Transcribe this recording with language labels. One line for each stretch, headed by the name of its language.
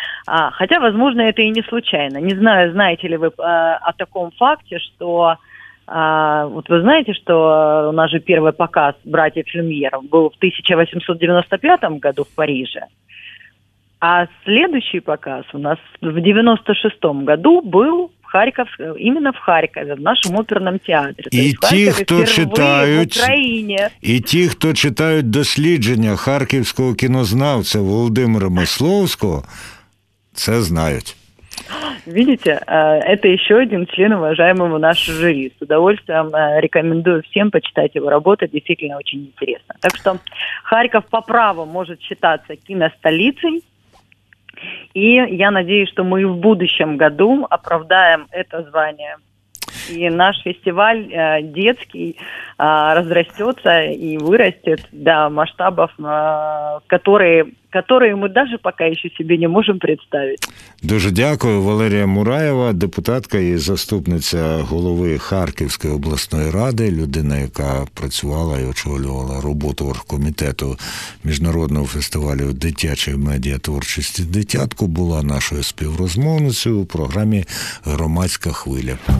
Russian: Хотя, возможно, это и не случайно. Не знаю, знаете ли вы о таком факте, что... вот вы знаете, что у нас же первый показ «Братьев Люмьеров» был в 1895 году в Париже, а следующий показ у нас в 1996 году был... Именно в Харькове, в нашем оперном театрі.
Ukrainian: І ті, хто читають, дослідження харківського кінознавця Володимира Масловського, це знають.
Russian: Видите, это еще один член уважаемого нашего жюри. С удовольствием рекомендую всем почитать его работу, действительно очень интересно. Так что Харьков по праву может считаться киностолицей. И я надеюсь, что мы в будущем году оправдаем это звание. И наш фестиваль детский разрастется и вырастет до масштабов, которые мы даже пока еще себе не можем представить.
Ukrainian: Дуже дякую. Валерія Мураєва, депутатка і заступниця голови Харківської обласної ради, людина, яка працювала і очолювала роботу оргкомітету Міжнародного фестивалю дитячої медіатворчості «Дитятко», була нашою співрозмовницею у програмі «Громадська хвиля».